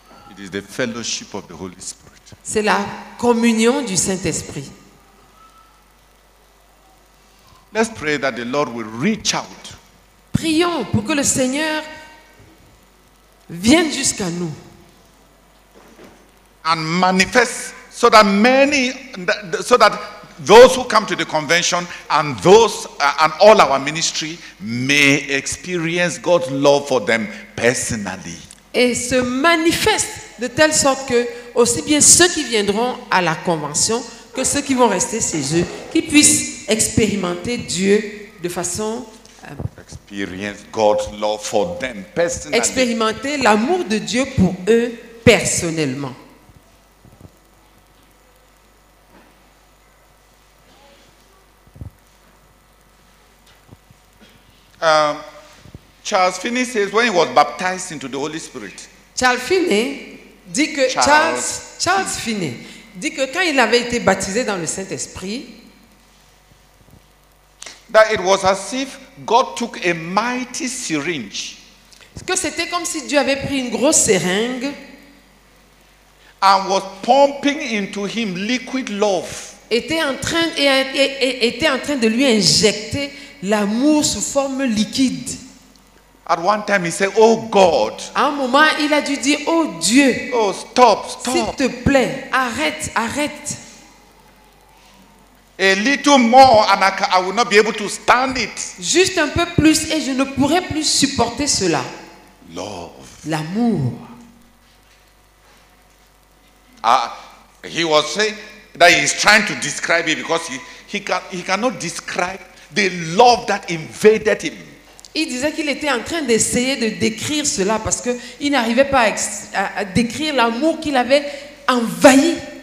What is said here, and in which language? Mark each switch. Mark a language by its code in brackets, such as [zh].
[en] It is the fellowship of the Holy Spirit. [fr] C'est la communion du Saint-Esprit. [en] Let's pray that the Lord will reach out. [fr] Prions pour que le Seigneur vienne jusqu'à nous. [en] And manifest so that many, so that those who come to the convention and those and all our ministry may experience God's love for them personally. [fr] Et se manifeste de telle sorte que aussi bien ceux qui viendront à la convention que ceux qui vont rester chez eux, qu'ils puissent expérimenter Dieu de façon [en] experience God's love for them personally. [fr] Expérimenter l'amour de Dieu pour eux personnellement. [en] Charles Finney says when he was baptized into the Holy Spirit. [fr] Charles Finney dit que quand il avait été baptisé dans le Saint-Esprit, [en] that it was as if God took a mighty syringe. [fr] Que c'était comme si Dieu avait pris une grosse seringue. [en] And was pumping into him liquid love. [fr] Était en train de lui injecter l'amour sous forme liquide. [en] At one time he said, "Oh God." [fr] À un moment, il a dû dire, "Oh Dieu." [en] Oh, stop. [fr] S'il te plaît, arrête. [en] A little more and I will not be able to stand it. [fr] Juste un peu plus et je ne pourrai plus supporter cela. [en] Love. [fr] L'amour. [en] He was saying that he is trying to describe it because he cannot describe the love that invaded him. [fr] Il disait qu'il était en train d'essayer de décrire cela parce que il n'arrivait pas à décrire l'amour qu'il avait envahi.